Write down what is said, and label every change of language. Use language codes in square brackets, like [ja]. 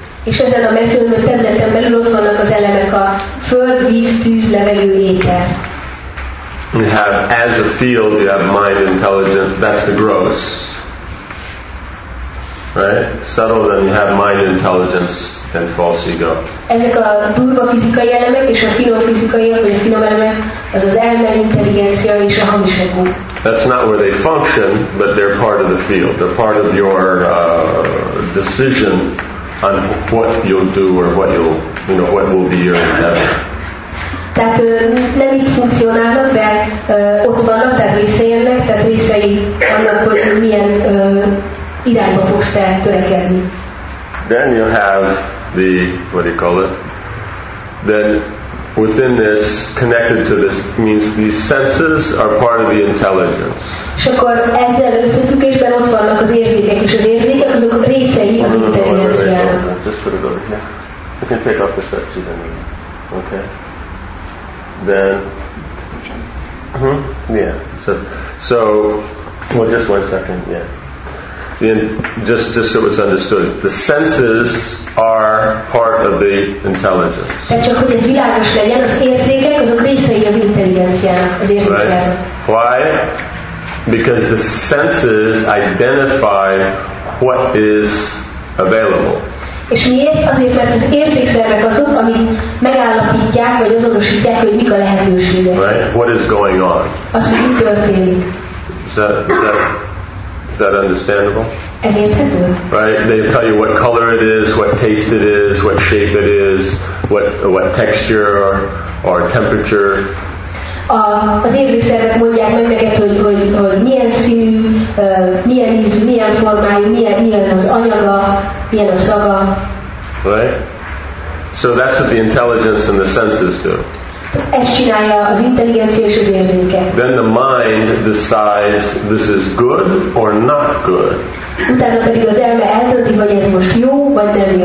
[hu] És ezen a mezőn, a területen belül ott vannak az elemek: a föld, víz, tűz, levegő, éter. [en] You have, as a field, you have mind, intelligence. That's the gross, right? Subtle, then you have mind, intelligence, and false ego. [hu] Ezek a durva fizikai elemek és a finom fizikai, vagy a finom elemek, az az elme, intelligencia és a hamis ego. [en] That's not where they function, but they're part of the field. They're part of your decision on what you'll do or what you'll, you know, what will be your endeavor. [hu] Tehát nem itt funkcionálnak, de ott vannak, tehát részei ennek, tehát részei annak, hogy milyen irányba fogsz te törekedni. [en] Then you have the, what do you call it? Then within this, connected to this, means these senses are part of the intelligence. [hu] És akkor ezzel összefüggésben ott vannak az érzékek, és az érzékek azok a részei az intelligenciának. [en] Just put it over here. You can take off the section then. Okay. Then. Yeah. So, well, just one second. Yeah. Just so it's understood, the senses are part of the intelligence. [hu] Tehát csak hogy ez világos legyen, az érzékek azok részei az intelligenciának, az érzékeknek. [en] Why? Because the senses identify what is available. [hu] És miért? Azért, mert az érzékszervek azok, amik megállapítják, vagy azonosítják, hogy mik a lehetőségek. [en] Right? What is going on? [hu] Az, hogy mi történik. [en] Is that understandable? [hu] Ez érthető. [en] Right? They tell you what color it is, what taste it is, what shape it is, what texture or temperature. [hu] Az érzékszervek mondják meg neked, hogy milyen színű, milyen ízű, milyen formájú, milyen az anyaga, milyen a szaga. [en] Right? So that's what the intelligence and the senses do. [hu] Ezt csinálja az intelligencia és az érzéke. [en] Then the mind decides this is good or not good. [hu] Utána pedig az elme eldönti, hogy ez most jó vagy nem jó.